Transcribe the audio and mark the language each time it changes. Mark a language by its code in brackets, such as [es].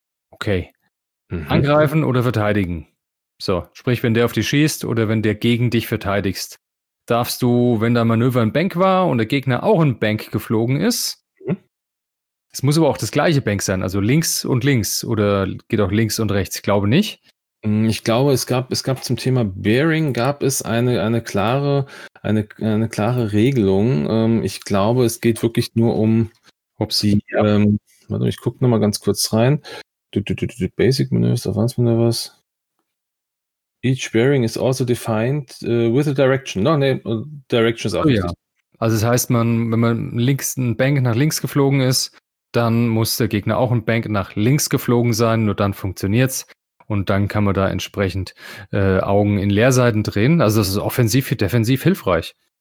[de] Okay. Mhm. Angreifen oder verteidigen. So, sprich, wenn der auf dich schießt oder wenn der gegen dich verteidigst, darfst du, wenn dein Manöver ein Bank war und der Gegner auch ein Bank geflogen ist, es muss aber auch das gleiche Bank sein, also links und links oder geht auch links und rechts, ich glaube nicht. Ich glaube, es gab zum Thema Bearing gab es eine klare Regelung. Ich glaube, es geht wirklich nur um, ob sie, warte, ich gucke nochmal ganz kurz rein. Basic Manövers, Advanced Manövers. [en] Each Bearing is also defined with a direction. [de] Direction ist auch richtig. Ja. Also das heißt, wenn man links ein Bank nach links geflogen ist, dann muss der Gegner auch ein Bank nach links geflogen sein, nur dann funktioniert's. Und dann kann man da entsprechend Augen in Leerseiten drehen. Also das ist offensiv für defensiv hilfreich.